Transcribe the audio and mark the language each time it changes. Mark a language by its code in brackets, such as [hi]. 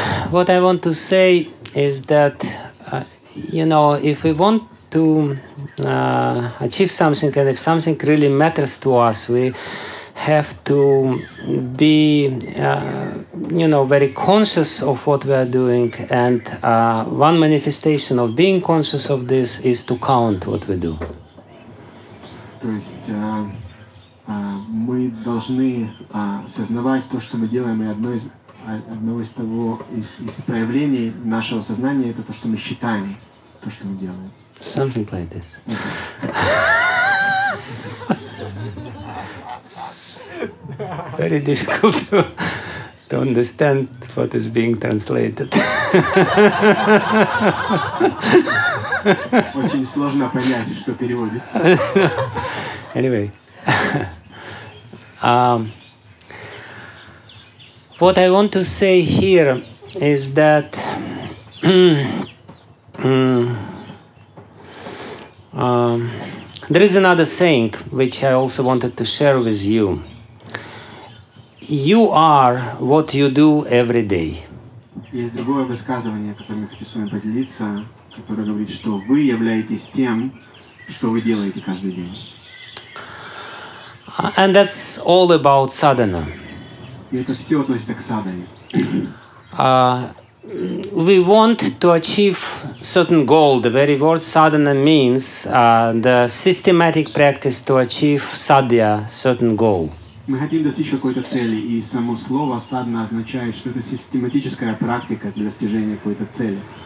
[en] What I want to say is that, you know, if we want to achieve something and if something really matters to us, we have to be, you know, very conscious of what we are doing. And one manifestation of being conscious of this is to count what we do. [ru] То есть мы должны осознавать то, что мы делаем, и одно из одного из того из проявлений нашего сознания это то, что мы считаем, то, что мы делаем. [en] Something like this. Very difficult to understand what is being translated. [ru] Очень сложно понять, что переводится. [en] Anyway. What I want to say here is that there is another saying which I also wanted to share with you. You are what you do every day. [ru] Есть другое высказывание, которое я хочу с вами поделиться, которое говорит, что вы являетесь тем, что вы делаете каждый день. [en] And that's all about sadhana. [ru] И это все относится к садхане. [en] We want to achieve certain goal. The very word sadhana means the systematic practice to achieve sadhya, certain goal. [ru] Мы хотим достичь какой-то цели, и само слово садхана означает, что это систематическая практика для достижения какой-то цели.